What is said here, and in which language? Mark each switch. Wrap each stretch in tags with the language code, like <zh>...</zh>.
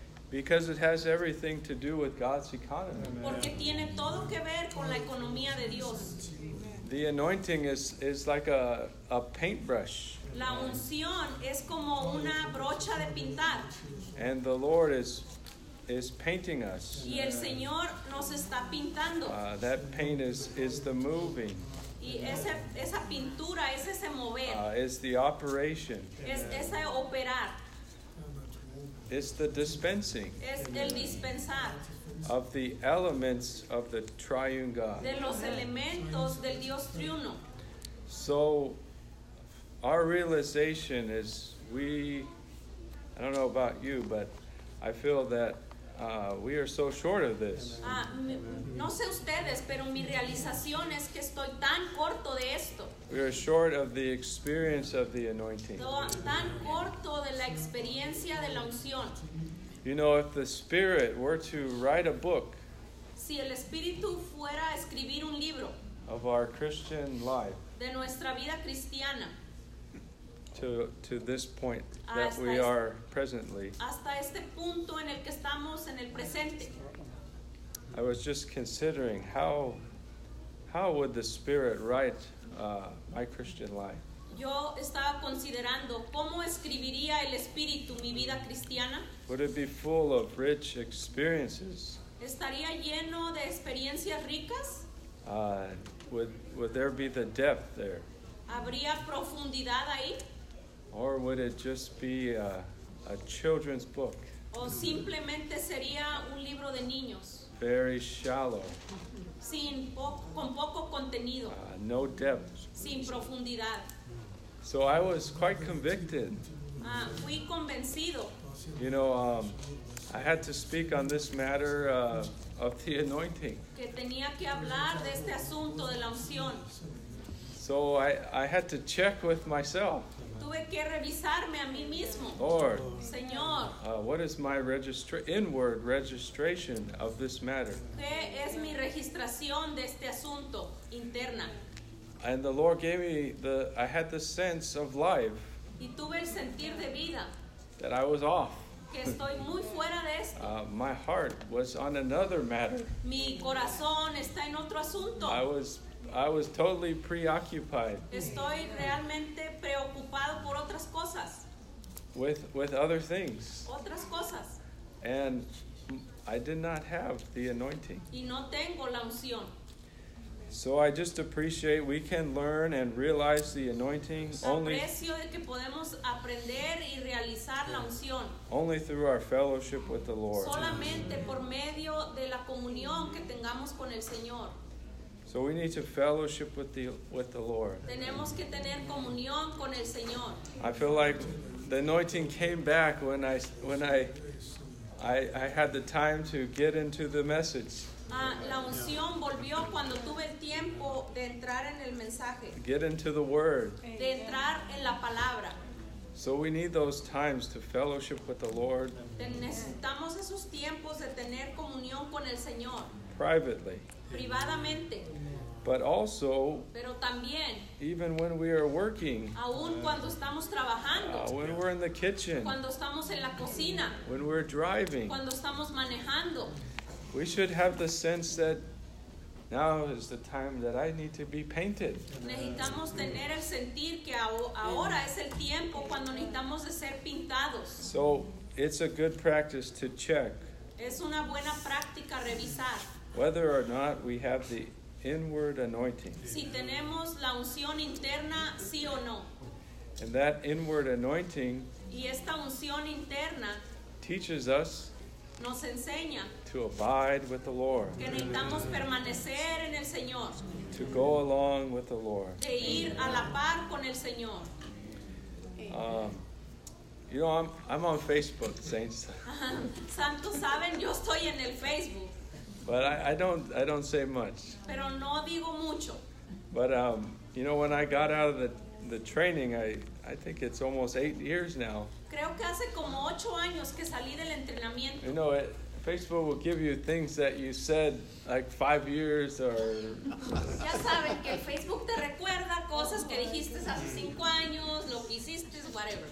<en>Because it has everything to do with God's economy. Amen.</en> <es>Porque tiene todo que ver con la economía de Dios.</es> <en>The anointing is like a paintbrush.</en> <es>La unción es como una brocha de pintar.</es> <en>And the Lord is painting us.</en> <es>Y el Señor nos está pintando.</es> <en>That paint is the moving.</en> <es>Y esa pintura es ese mover.</es> <en>Is the operation.</en> <es>Es ese operar.</es> <en>It's the dispensing.</en> <es>Es el dispensar.</es> <en>Of the elements of the triune God.</en> <es>De los elementos del Dios triuno.</es> <en>So our realization is I don't know about you, but I feel that we are so short of this.</en> <es>No sé ustedes, pero mi realización es que estoy tan corto de esto.</es> <en>We are short of the experience of the anointing.</en> <es>Tan corto de la experiencia de la unción.</es> <en>You know, if the Spirit were to write a book,</en> <es>si el Espíritu fuera a escribir un libro,</es> <en>of our Christian life,</en> <es>de nuestra vida cristiana,</es> <en>to this point that we are presently.</en> <es>Hasta este punto en el que estamos en el presente.</es> <en>I was just considering how would the Spirit write my Christian life?</en> <es>Yo estaba considerando cómo escribiría el Espíritu mi vida cristiana.</es> <en>Would it be full of rich experiences?</en> <es>¿Estaría lleno de experiencias ricas?</es> <en>Would there be the depth there?</en> <es>¿Habría profundidad ahí?</es> <en>Or would it just be a children's book?</en> <es>O simplemente sería un libro de niños.</es> <en>Very shallow.</en> <es>Sin con poco contenido.</es> <en>No depth.</en> <es>Sin profundidad.</es> <en>So I was quite convicted.</en> <es>Fui convencido.</es> <en>You know, I had to speak on this matter of the anointing.</en> <es>Que tenía que hablar de este asunto de la unción.</es> <en>So I had to check with myself.</en> <es>Tuve que revisarme a mí mismo.</es> <en>Lord,</en> <es>Señor,</es> <en>what is my inward registration of this matter?</en> <es>¿Qué es mi registración de este asunto interna?</es> <en>And the Lord gave me I had the sense of life.</en> <es>Y tuve el sentir de vida.</es> <en>That I was off.</en> <es>Que estoy muy fuera de esto.</es> <en>My heart was on another matter.</en> <es>Mi corazón está en otro asunto.</es> <en>I was totally preoccupied.</en> <es>Estoy realmente preocupado por otras cosas.</es> <en>With other things.</en> <es>Otras cosas.</es> <en>And I did not have the anointing.</en> <es>Y no tengo la unción.</es> <en>So I just appreciate we can learn and realize the anointing only through our fellowship with the Lord.</en> <es>Solamente por medio de la comunión que tengamos con el Señor.</es> <en>So we need to fellowship with the Lord.</en> <es>Tenemos que tener comunión con el Señor.</es> <en>I feel like the anointing came back when I had the time to get into the message.</en> <es>La unción volvió cuando tuve el tiempo de entrar en el mensaje.</es> <en>Get into the word.</en> <es>De entrar en la palabra.</es> <en>So we need those times to fellowship with the Lord.</en> <es>Necesitamos esos tiempos de tener comunión con el Señor.</es> <en>Privately.</en> <es>Privadamente.</es> <en>But also,</en> <es>pero también,</es> <en>even when we are working,</en> <es>aun cuando estamos trabajando,</es> <en>when we're in the kitchen,</en> <es>cuando estamos en la cocina,</es> <en>when we're driving,</en> <es>cuando estamos manejando,</es> <en>we should have the sense that now is the time that I need to be painted.</en> <es>Necesitamos tener el sentir que ahora es el tiempo cuando necesitamos de ser pintados.</es> <en>So it's a good practice to check.</en> <es>Es una buena práctica revisar.</es> <en>Whether or not we have the inward anointing.</en> <es>Si tenemos la unción interna, sí o no.</es> <en>And that inward anointing,</en> <es>y esta unción interna,</es> <en>teaches us,</en> <es>nos enseña,</es> <en>to abide with the Lord.</en> <es>Que necesitamos permanecer en el Señor.</es> <en>To go along with the Lord.</en> <es>De ir a la par con el Señor.</es> <en>You know, I'm on Facebook, saints.</en> <es>Santos saben, yo estoy en el Facebook.</es> <en>But I don't say much.</en> <es>Pero no digo mucho.</es> <en>But you know, when I got out of the training, I think it's almost 8 years now.</en> <es>Creo que hace como 8 años que salí del entrenamiento.</es> <en>You know, Facebook will give you things that you said like 5 years or.</en> <es>Ya saben que Facebook te recuerda cosas que dijiste hace 5 años, lo que hiciste, whatever.</es>